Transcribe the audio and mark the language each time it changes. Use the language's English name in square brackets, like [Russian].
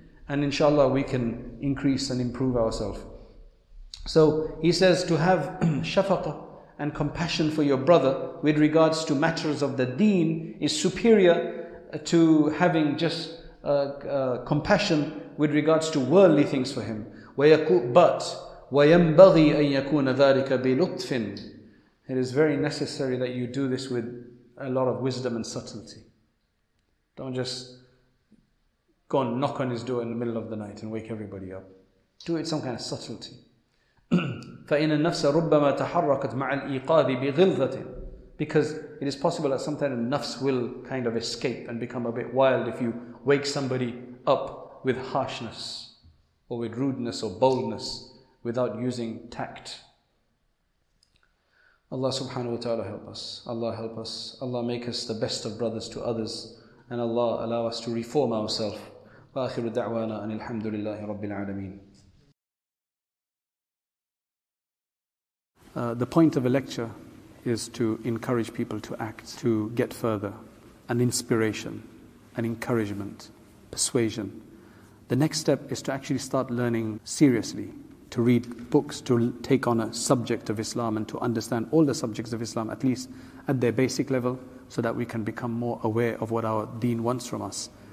[English] And inshallah, we can increase and improve ourselves. So he says to have shafaqah and compassion for your brother with regards to matters of the deen is superior to having just compassion with regards to worldly things for him. [Arabic] But وَيَنْبَغِي أَن يَكُونَ ذَلِكَ بِلُطْفٍ. [English] It is very necessary that you do this with a lot of wisdom and subtlety. Don't just go and knock on his door in the middle of the night and wake everybody up. Do it some kind of subtlety. [Arabic] فإن النفس ربما تحركت مع الإيقاظ بغلظة. [English] Because it is possible that sometimes the nafs will kind of escape and become a bit wild if you wake somebody up with harshness or with rudeness or boldness without using tact. Allah subhanahu wa ta'ala help us. Allah help us. Allah make us the best of brothers to others, and Allah allow us to reform ourselves. [Arabic] وآخر دعوانا أن الحمد لله رب العالمين. [English] The point of a lecture is to encourage people to act, to get further, an inspiration, an encouragement, persuasion. The next step is to actually start learning seriously, to read books, to take on a subject of Islam and to understand all the subjects of Islam, at least at their basic level, so that we can become more aware of what our deen wants from us.